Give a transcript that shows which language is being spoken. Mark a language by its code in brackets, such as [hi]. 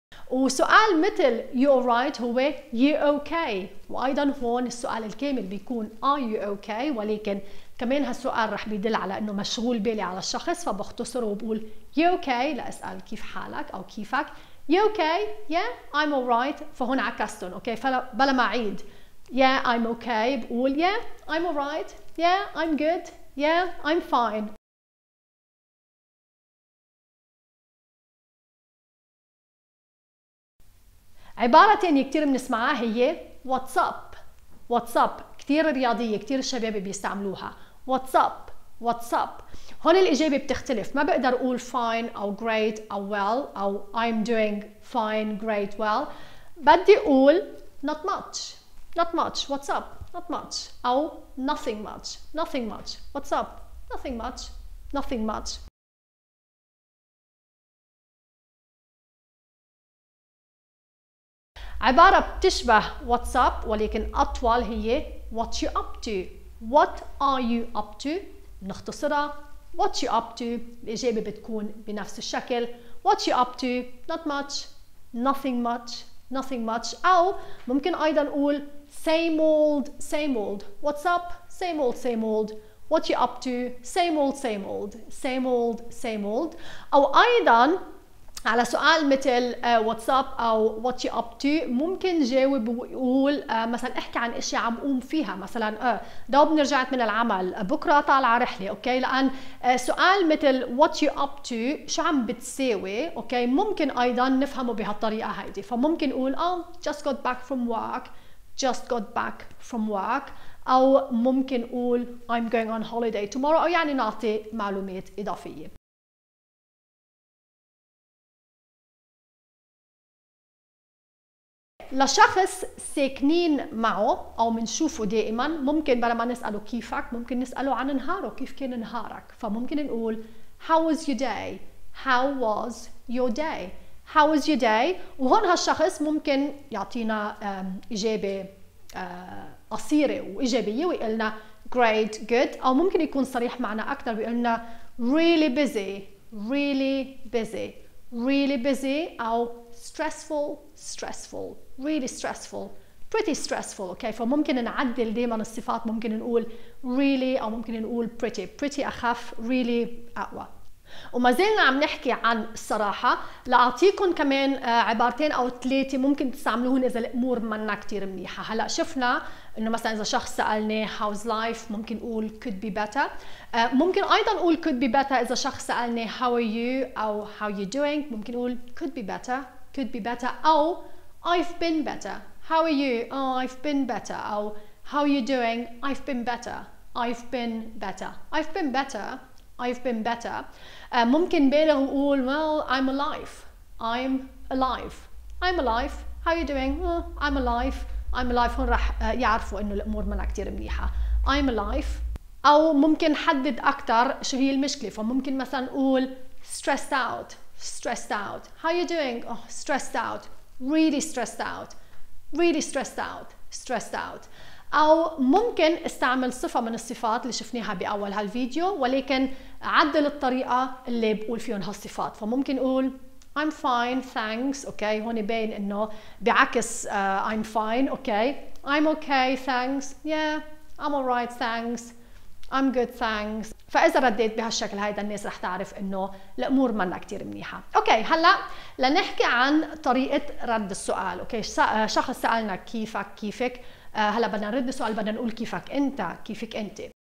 [ar] وسؤال مثل [en] you alright [ar] هو [en] you okay. [ar] وأيضا هون السؤال الكامل بيكون [en] are you okay. [ar] ولكن كمان هالسؤال رح بيدل على إنه مشغول بالي على الشخص فبختصر وبقول [en] you okay [ar] لأسأل كيف حالك أو كيفك. [en] You okay? Yeah, I'm alright. [ar] فهون عكستن. [en] Okay. [ar] فبلا ما عيد. [en] Yeah, I'm okay. [ar] بقول [en] yeah, I'm alright. Yeah, I'm good. Yeah, I'm fine. [ar] عبارة تانية كتير بنسمعها هي [en] What's up? What's up? [ar] كتير رياضية كتير الشباب بيستعملوها. [en] What's up? What's up? [ar] هون الإجابة بتختلف. ما بقدر أقول [en] fine أو great أو well أو I'm doing fine, great, well. [ar] بدي أقول [en] not much. Not much. What's up? Not much. أو nothing much. Nothing much. What's up? Nothing much. Nothing much. [ar] عبارة بتشبه what's up ولكن أطول هي [en] what you up to. What are you up to? [ar] نختصرها [en] what you up to. [ar] الإجابة بتكون بنفس الشكل. [en] What you up to? Not much. Nothing much. Nothing much. [ar] أو ممكن أيضا نقول [en] same old, same old. What's up? Same old, same old. What you up to? Same old, same old. Same old, same old. [ar] أو أيضا على سؤال مثل [en] What's up? أو What you up to? [ar] ممكن جاوب ويقول مثلا احكي عن إشي عم قوم فيها. مثلا دوب نرجعت من العمل. بكرة طالع رحلة. أوكي؟ لأن سؤال مثل [en] What you up to? [ar] شو عم بتساوي؟ أوكي؟ ممكن أيضا نفهمه بهالطريقة هايدي. فممكن نقول [en] Oh, just got back from work. Just got back from work. أو ممكن أقول I'm going on holiday tomorrow. [ar] أو يعني نعطي معلومات إضافية. لشخص ساكنين معه أو منشوفه دائما ممكن بلا ما نسأله كيفك ممكن نسأله عن نهاره كيف كان نهارك. فممكن نقول [en] How was your day? How was your day? How was your day? [ar] وهون هالشخص ممكن يعطينا إجابة قصيرة وإيجابية ويقلنا [en] great, good. [ar] أو ممكن يكون صريح معنا أكثر ويقلنا [en] really busy, really busy, really busy. أو stressful, stressful, really stressful, pretty stressful. [ar] Okay, فممكن نعدل دائما الصفات. ممكن نقول really أو ممكن نقول pretty. Pretty أخف, really أقوى. وما زلنا عم نحكي عن الصراحة. لأعطيكم كمان عبارتين أو ثلاثة ممكن تستعملوهن إذا الأمور منا كتير منيحة. هلأ شفنا إنه مثلا إذا شخص سألني [en] how's life [ar] ممكن أقول [en] could be better. [ar] ممكن أيضا أقول [en] could be better [ar] إذا شخص سألني [en] how are you أو how are you doing. ممكن أقول could be better, could be better. أو I've been better, how are you? Oh, I've been better. أو how are you doing? I've been better, I've been better, I've been better, I've been better. [ar] ممكن بالغ وقول [en] well I'm alive, I'm alive, I'm alive. How are you doing? Oh, I'm alive, I'm alive. [ar] هون راح يعرفوا إنه الأمور منا كتير منيحة. [en] I'm alive. [ar] أو ممكن حدد أكتر شو هي المشكلة. فممكن مثلاً قول [en] stressed out, stressed out. How are you doing? Oh, stressed out, really stressed out, really stressed out, stressed out. [ar] أو ممكن استعمل صفة من الصفات اللي شفناها بأول هالفيديو ولكن عدل الطريقة اللي بقول فيهم هالصفات. فممكن أقول [en] I'm fine, thanks. [ar] أوكي هون يبين إنه بعكس [en] I'm fine. Okay I'm okay, thanks. Yeah, I'm alright, thanks. I'm good, thanks. [ar] فإذا رديت بهالشكل هيدا الناس رح تعرف إنه الأمور منا كتير منيحة. أوكي هلأ لنحكي عن طريقة رد السؤال. أوكي شخص سألنا كيفك كيفك. هلا بدنا نرد السؤال بدنا نقول كيفك انت كيفك انت.